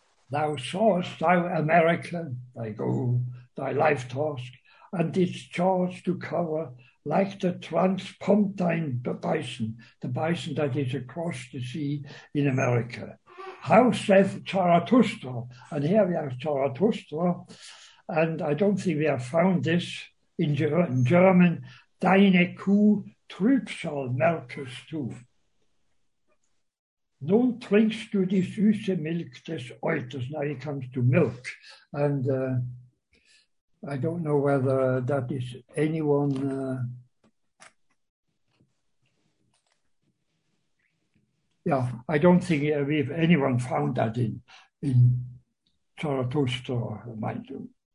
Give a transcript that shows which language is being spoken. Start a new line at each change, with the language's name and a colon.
English: Thou sawest, thou America, thy goal, thy life task, and discharge to cover, like the transpontine bison, the bison that is across the sea in America. How saith Zarathustra? And here we have Zarathustra, and I don't think we have found this in German,
German: deine Kuh Trübsal melkest du. Nun trinkst du die süße Milch des Euters.
English: Now it comes to milk. And I don't know whether that is anyone. I don't think we've anyone found that in Zarathustra, mind you.